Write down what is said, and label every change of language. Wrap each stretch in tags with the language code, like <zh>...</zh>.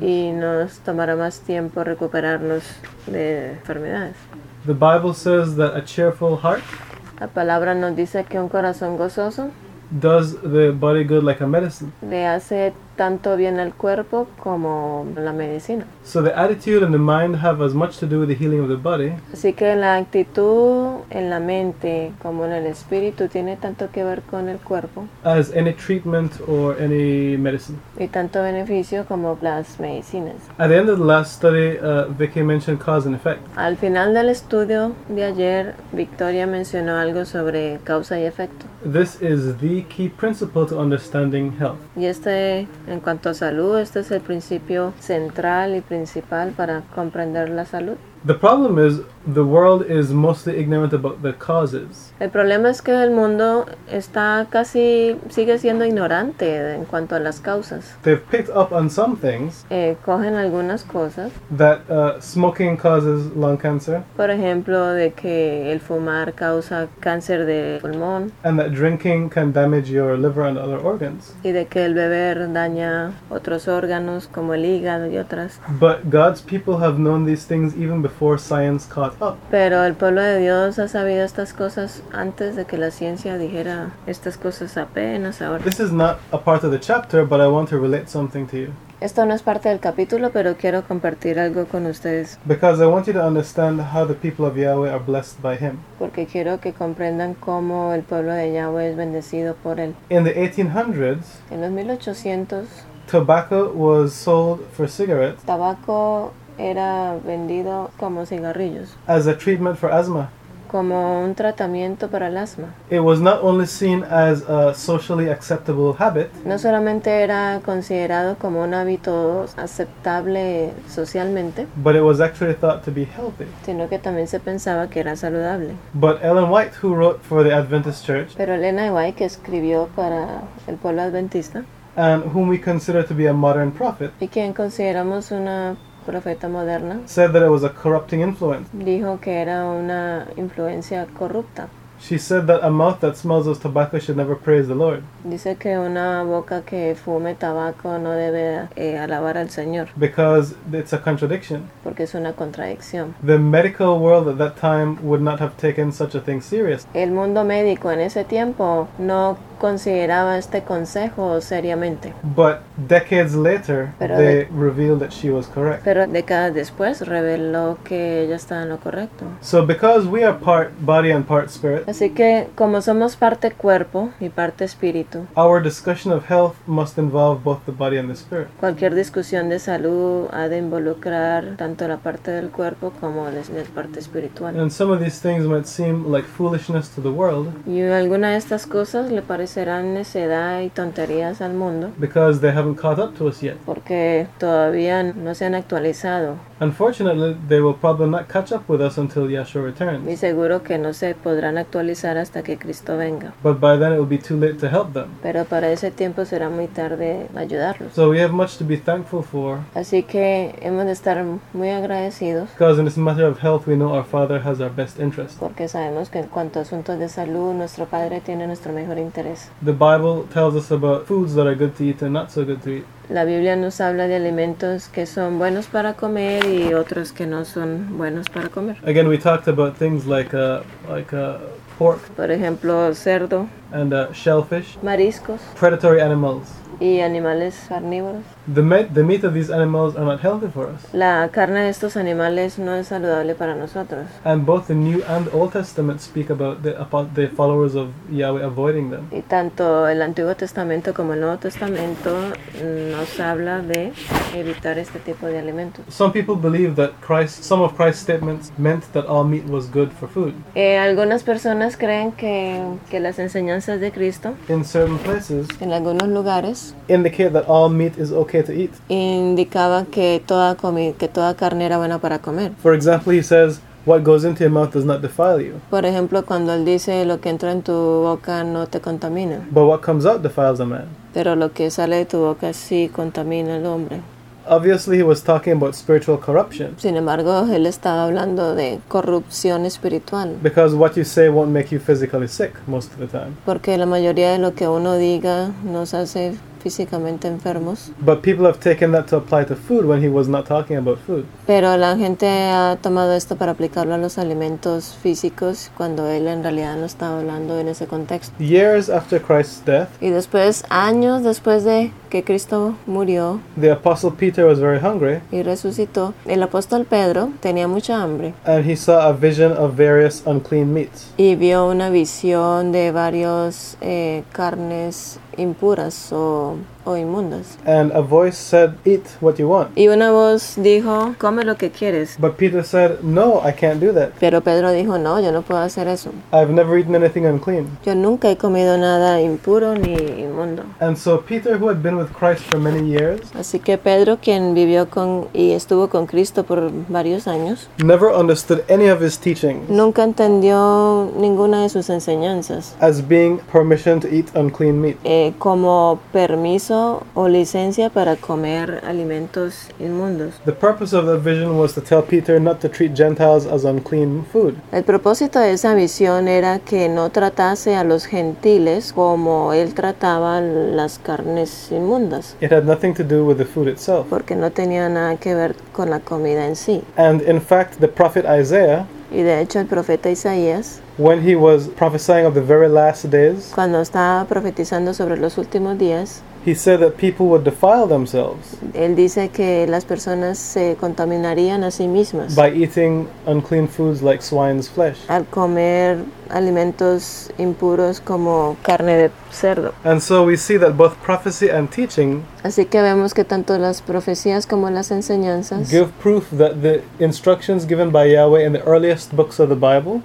<es>Y nos tomará más tiempo recuperarnos de enfermedades.</es> <en>The Bible says that a cheerful heart,</en> <es>la palabra nos dice que un corazón gozoso,</es> <en>does the body good like a medicine.</en> <es>Le hace tanto bien al cuerpo como la medicina.</es> <en>So the attitude and the mind have as much to do with the healing of the body.</en> <es>Así que la actitud en la mente como en el espíritu tiene tanto que ver con el cuerpo.</es> <en>As any treatment or any medicine.</en> <es>Y tanto beneficio como las medicinas.</es> <en>At the end of the last study, Vicky mentioned cause and effect.</en> <es>Al final del estudio de ayer, Victoria mencionó algo sobre causa y efecto.</es> <en>This is the key principle to understanding health.</en> <es>Y este, en cuanto a salud, este es el principio central y principal para comprender la salud.</es> <en>The problem is the world is mostly ignorant about the causes.</en> <es>El problema es que el mundo está casi, sigue siendo ignorante en cuanto a las causas.</es> <en>They've picked up on some things.</en> <es>Cogen algunas cosas.</es> <en>That smoking causes lung cancer.</en> <es>Por ejemplo, de que el fumar causa cáncer de pulmón.</es> <en>And that drinking can damage your liver and other organs.</en> <es>Y de que el beber daña otros órganos como el hígado y otras.</es> <en>But God's people have known these things even before science caught up.</en> <es>Pero el pueblo de Dios ha sabido estas cosas antes de que la ciencia dijera estas cosas apenas ahora.</es> <en>This is not a part of the chapter, but I want to relate something to you.</en> <es>Esto no es parte del capítulo, pero quiero compartir algo con ustedes.</es> <en>Because I want you to understand how the people of Yahweh are blessed by Him.</en> <es>Porque quiero que comprendan cómo el pueblo de Yahweh es bendecido por Él.</es> <en>In the 1800s,</en> <es>en los 1800s,</es> <en>tobacco was sold for cigarettes.</en> <es>Tabaco era vendido como cigarrillos.</es> <en>As a treatment for asthma.</en> <es>Como un tratamiento para el asma.</es> <en>It was not only seen as a socially acceptable habit.</en> <es>No solamente era considerado como un hábito aceptable socialmente.</es> <en>But it was actually thought to be healthy.</en> <es>Sino que también se pensaba que era saludable.</es> <en>But Ellen White, who wrote for the Adventist Church.</en> <es>Pero Ellen White, que escribió para el pueblo adventista.</es> <en>And whom we consider to be a modern prophet.</en> <es>Y quien consideramos una profeta moderna,</es> <en>said that it was a corrupting influence.</en> <es>Dijo que era una influencia corrupta.</es> <en>She said that a mouth that smells of tobacco should never praise the Lord.</en> <es>Dice que una boca que fume tabaco no debe alabar al Señor.</es> <en>Because it's a contradiction.</en> <es>Porque es una contradicción.</es> <en>The medical world at that time would not have taken such a thing serious.</en> <es>El mundo médico en ese tiempo no consideraba este consejo seriamente.</es> <en>But decades later, they revealed that she was correct.</en> <es>Pero décadas después reveló que ella estaba en lo correcto.</es> <en>So because we are part body and part spirit,</en> <es>así que como somos parte cuerpo y parte espíritu,</es> <en>our discussion of health must involve both the body and the spirit.</en> <es>Cualquier discusión de salud ha de involucrar tanto la parte del cuerpo como la parte espiritual.</es> <en>And some of these things might seem like foolishness to the world.</en> <es>Y alguna de estas cosas le parecerán necedad y tonterías al mundo.</es> <en>Because they haven't caught up to us yet.</en> <es>Porque todavía no se han actualizado.</es> <en>Unfortunately, they will probably not catch up with us until Yahshua returns.</en> <es>Y seguro que no se podrán actualizar hasta que Cristo venga.</es> <en>But by then it will be too late to help them.</en> <es>Pero para ese tiempo será muy tarde ayudarlos.</es> <en>So we have much to be thankful for.</en> <es>Así que hemos de estar muy agradecidos.</es> <en>Because in this matter of health, we know our Father has our best interest.</en> <es>Porque sabemos que en cuanto a asuntos de salud, nuestro Padre tiene nuestro mejor interés.</es> <en>The Bible tells us about foods that are good to eat and not so good to eat.</en> <es>La Biblia nos habla de alimentos que son buenos para comer y otros que no son buenos para comer.</es> <en>Again, we talked about things like pork.</en> <es>Por ejemplo, cerdo.</es> <en>And shellfish.</en> <es>Mariscos.</es> <en>Predatory animals.</en> <es>Y animales carnívoros.</es> <en>The meat of these animals are not healthy for us.</en> <es>La carne de estos animales no es saludable para nosotros.</es> <en>And both the New and Old Testament speak about the followers of Yahweh avoiding them.</en> <es>Y tanto el Antiguo Testamento como el Nuevo Testamento nos habla de evitar este tipo de alimentos.</es> <en>Some people believe that some of Christ's statements meant that all meat was good for food.</en> <es>Algunas personas creen que las enseñanzas de Cristo</es> <en>in certain places</en> <es>en algunos lugares</es> <en>indicate that all meat is okay to eat.</en> <es>Indicaba que toda carne era buena para comer.</es> <en>For example, he says, "What goes into your mouth does not defile you."</en> <es>Por ejemplo, cuando él dice lo que entra en tu boca no te contamina.</es> <en>But what comes out defiles a man.</en> <es>Pero lo que sale de tu boca sí contamina al hombre.</es> <en>Obviously, he was talking about spiritual corruption.</en> <es>Sin embargo, él estaba hablando de corrupción espiritual.</es> <en>Because what you say won't make you physically sick most of the time.</en> <es>Porque la mayoría de lo que uno diga nos hace físicamente enfermos.</es> <en>But people have taken that to apply to food when he was not talking about food.</en> <es>Pero la gente ha tomado esto para aplicarlo a los alimentos físicos cuando él en realidad no estaba hablando en ese contexto.</es> <en>Years after Christ's death.</en> <es>Y después, años después de que Cristo murió.</es> <en>The apostle Peter was very hungry.</en> <es>Y resucitó. El apóstol Pedro tenía mucha hambre.</es> <en>And he saw a vision of various unclean meats.</en> <es>Y vio una visión de varios carnes impuras o inmundas.</es> <en>And a voice said, "Eat what you want."</en> <es>Y una voz dijo, "Come lo que quieres."</es> <en>But Peter said, "No, I can't do that."</en> <es>Pero Pedro dijo, "No, yo no puedo hacer eso."</es> <en>I've never eaten anything unclean.</en> <es>Yo nunca he comido nada impuro ni inmundo.</es> <en>And so Peter, who had been with Christ for many years,</en> <es>así que Pedro, quien vivió con y estuvo con Cristo por varios años,</es> <en>never understood any of his teachings.</en> <es>Nunca entendió ninguna de sus enseñanzas.</es> <en>As being permission to eat unclean meat.</en> <es>Como permiso o licencia para comer alimentos inmundos.</es> <en>The purpose of that vision was to tell Peter not to treat Gentiles as unclean food.</en> <es>El propósito de esa visión era que no tratase a los gentiles como él trataba las carnes inmundas.</es> <en>It had nothing to do with the food itself.</en> <es>Porque no tenía nada que ver con la comida en sí.</es> <en>And in fact, the prophet Isaiah.</en> <es>Y de hecho el profeta Isaías.</es> <en>When he was prophesying of the very last days,</en> <es>cuando estaba profetizando sobre los últimos días,</es> <en>he said that people would defile themselves.</en> <es>Él dice que las personas se contaminarían a sí mismas.</es> <en>By eating unclean foods like swine's flesh.</en> <es>Al comer alimentos impuros como carne de cerdo.</es> <en>And so we see that both prophecy and teaching.</en> <es>Así que vemos que tanto las profecías como las enseñanzas</es> <en>give proof that the instructions given by Yahweh in the earliest books of the Bible</en>